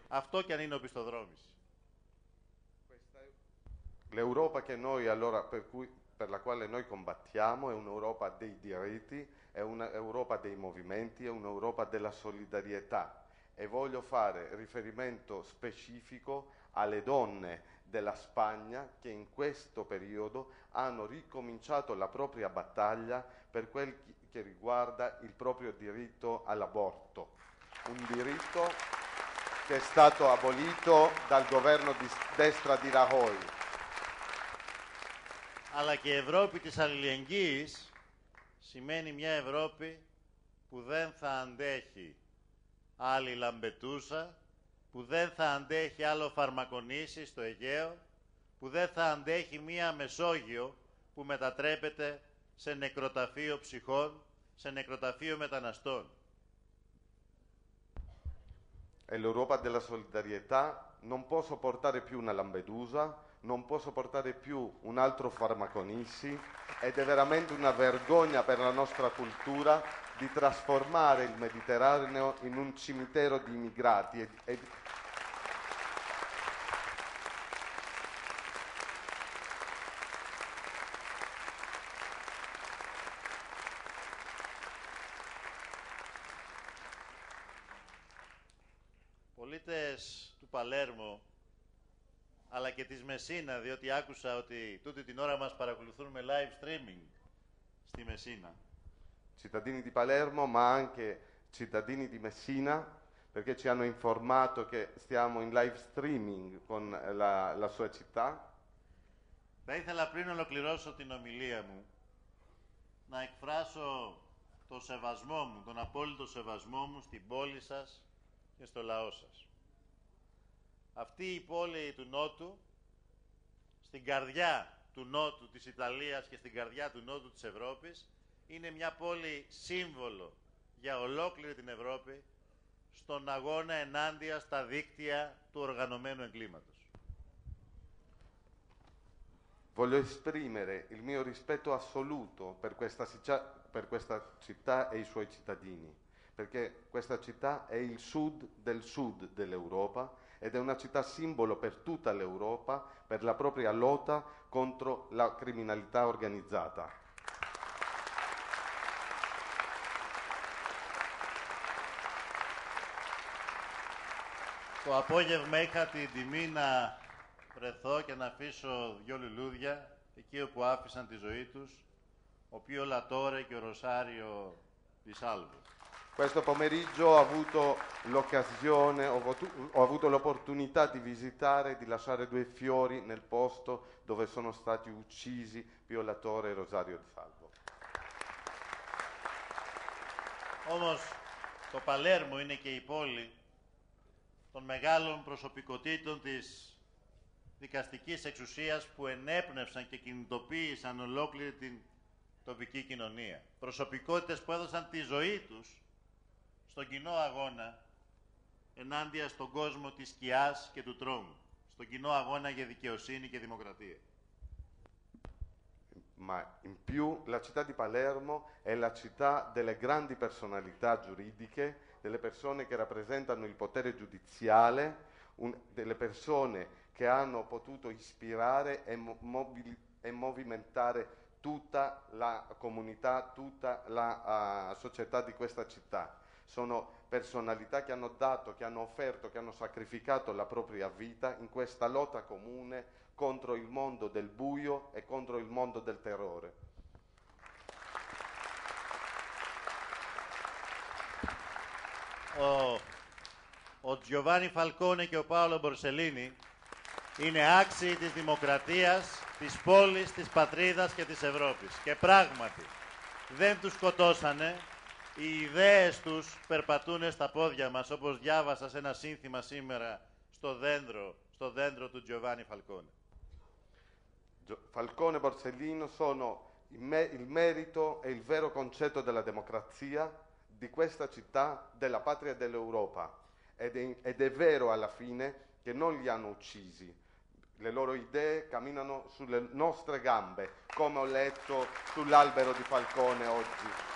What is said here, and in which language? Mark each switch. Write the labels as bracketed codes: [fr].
[el] Αυτό κι αν είναι οπισθοδρόμηση. [it] L'Europa che noi, allora, per la quale noi combattiamo, è un'Europa dei diritti, è un'Europa dei movimenti, è un'Europa della solidarietà. E voglio fare riferimento specifico alle donne della Spagna che in questo periodo hanno ricominciato la propria battaglia per quel che riguarda il proprio diritto all'aborto. Un diritto che è stato abolito dal governo di destra di Rajoy. [el] Αλλά και η Ευρώπη της αλληλεγγύης σημαίνει μια Ευρώπη που δεν θα αντέχει άλλη Λαμπετούσα, που δεν θα αντέχει άλλο Φαρμακονήσι στο Αιγαίο, που δεν θα αντέχει μια Μεσόγειο που μετατρέπεται σε νεκροταφείο ψυχών, σε νεκροταφείο μεταναστών. [it] L'Europa della solidarietà non posso portare più una Lampedusa. Non posso portare più un altro Farmaconissi ed è veramente una vergogna per la nostra cultura di trasformare il Mediterraneo in un cimitero di immigrati. [el] πολίτες του Παλέρμου, αλλά και της Μεσίνα, διότι άκουσα ότι τούτη την ώρα μας παρακολουθούν με live streaming στη Μεσίνα. [it] Cittadini di Palermo, ma anche cittadini di Messina, perché ci hanno informato che stiamo in live streaming con la sua città. [el] Θα ήθελα πριν ολοκληρώσω την ομιλία μου να εκφράσω το σεβασμό μου, τον απόλυτο σεβασμό μου στην πόλη σας και στο λαό σας. Αυτή η πόλη του Νότου, στην καρδιά του Νότου της Ιταλίας και στην καρδιά του Νότου της Ευρώπης, είναι μια πόλη σύμβολο για ολόκληρη την Ευρώπη στον αγώνα ενάντια στα δίκτυα του οργανωμένου εγκλήματος. [it] Voglio esprimere il mio rispetto assoluto per questa città e i suoi cittadini, perché questa città è il sud dell'Europa ed è una città simbolo per tutta l'Europa per la propria lotta contro la criminalità organizzata. [el] Το απόγευμα είχα την τιμή να βρεθώ και να αφήσω δυο λουλούδια εκεί όπου άφησαν τη ζωή τους, ο Πίο Λατόρε και ο Ροσάριο Δισάλβο. [it] Questo pomeriggio ho avuto l'occasione, ho avuto l'opportunità di visitare, di lasciare due fiori nel posto dove sono stati uccisi Pio Latore e Rosario Dissalvo. [el] Όμως το Παλέρμο είναι και η πόλη των μεγάλων προσωπικότητων της δικαστικής εξουσίας που ενέπνευσαν και κινητοποίησαν ολόκληρη την τοπική κοινωνία. Προσωπικότητες που έδωσαν τη ζωή τους στον κοινό αγώνα ενάντια στον κόσμο της σκιάς και του τρόμου, στον κοινό αγώνα για δικαιοσύνη και δημοκρατία. [it] Ma in più la città di Palermo è la città delle grandi personalità giuridiche, delle persone che rappresentano il potere giudiziale, delle persone che hanno potuto ispirare e movimentare tutta la comunità, tutta la società di questa città. Sono personalità che hanno dato, che hanno offerto, che hanno sacrificato la propria vita in questa lotta comune contro il mondo del buio e contro il mondo del terrore. [el] Ο Giovanni Falcone και ο Paolo Borsellini είναι άξιοι της δημοκρατίας, της πόλης, της πατρίδας και της Ευρώπης. Και πράγματι, δεν τους σκοτώσανε. Οι ιδέες τους περπατούν στα πόδια μας, όπως διάβασα σε ένα σύνθημα σήμερα στο δέντρο του Giovanni Falcone. [it] Falcone e Borsellino sono il merito e il vero concetto della democrazia di questa città, della patria dell'Europa. Ed è vero alla fine che non li hanno uccisi. Le loro idee camminano sulle nostre gambe, come ho letto sull'albero di Falcone oggi.